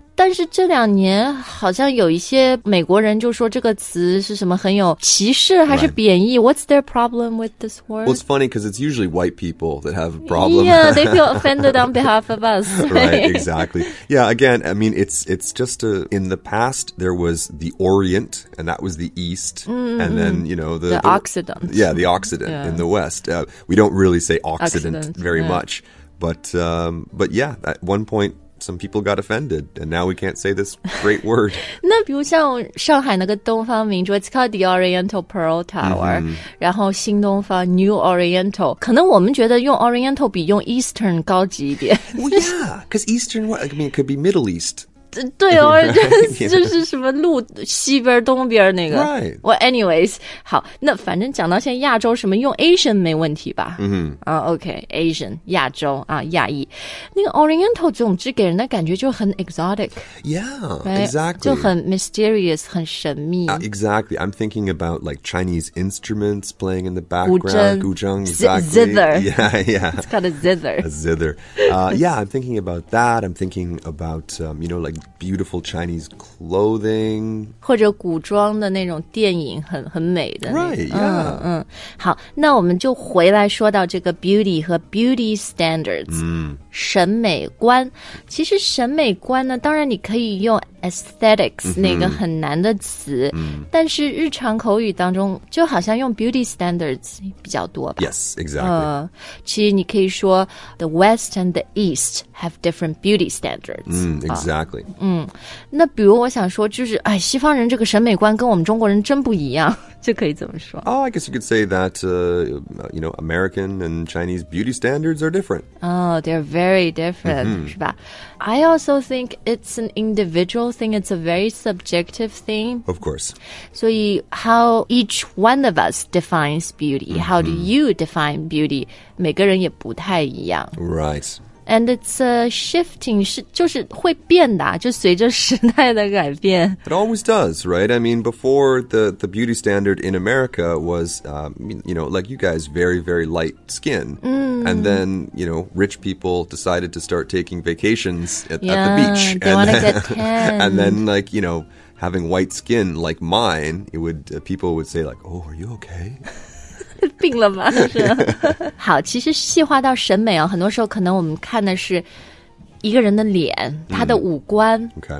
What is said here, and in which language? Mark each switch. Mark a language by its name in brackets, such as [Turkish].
[Chinese] 但是这两年好像有一些美国人就说这个词是什么很有歧视还是贬义、 [English] right. What's their problem with this word? Well, it's funny because it's usually white people that have a problem. Yeah, they feel offended on behalf of us. Right, exactly. Yeah, again, I mean, it's just a, in the past, there was the Orient and that was the East.、 Mm-hmm. And then, you know, the Occident. Yeah, the Occident、 yeah. in the West.、we don't really say Occident, very、 yeah. much. But yeah, at one point,Some people got offended, and now we can't say this great word. [Chinese] 那比如像上海那个东方明珠 [English] it's called the Oriental Pearl Tower,、 mm-hmm. [Chinese] 然后新东方 New Oriental. 可能我们觉得用 Oriental 比用 Eastern 高级一点。 [English] Well, yeah, because Eastern, I mean, it could be Middle East. [Chinese] 对哦，就是什么路西边东边那个。 [English] Right. Well, anyways, [Chinese] 好，那反正讲到现在亚洲什么用 Asian 没问题吧？嗯、 mm-hmm. ，OK，Asian 亚洲啊，亚裔。那个 Oriental 总之给人的感觉就很 exotic。 [English] Yeah，Exactly。 [Chinese] 就很 mysterious， 很神秘。 [English] Exactly. I'm thinking about like Chinese instruments playing in the background. [Chinese] 古筝 [English] exactly. Zither. Yeah. It's called a zither. A zither. Yeah, I'm thinking about that. I'm thinking about you know, like beautiful Chinese clothing. [Chinese] 或者古装的那种电影很美的。 [English] Right, yeah. [Chinese] 好，那我们就回来说到这个 beauty 和 beauty standards,、审美观。其实审美观呢，当然你可以用aesthetics 那个很难的词、但是日常口语当中就好像用 beauty standards 比较多吧 [English] Yes, exactly、 [Chinese] 其实你可以说 [English] The West and the East have different beauty standards、 Exactly、 [Chinese] 那比如我想说就是哎，西方人这个审美观跟我们中国人真不一样这可以怎么说 [English] Oh, I guess you could say that、you know, American and Chinese beauty standards are different Oh, they're very different、 [Chinese] 是吧 [English] I also think it's an individual thing, it's a very subjective thing. Of course. So how each one of us defines beauty,、how do you define beauty? [Chinese] 每个人也不太一样。 [English] Right. And it's shifting, [Chinese] 就是会变的就随着时代的改变。 [English] It always does, right? I mean, before the beauty standard in America was,、you know, like you guys, very, very light skin.、And then, you know, rich people decided to start taking vacations at the beach. They want to get tanned. And then, like, you know, having white skin like mine, it would,、people would say like, oh, are you okay? [Chinese] 病了吗? 好,其实细化到审美哦,很多时候可能我们看的是一个人的脸,他的五官。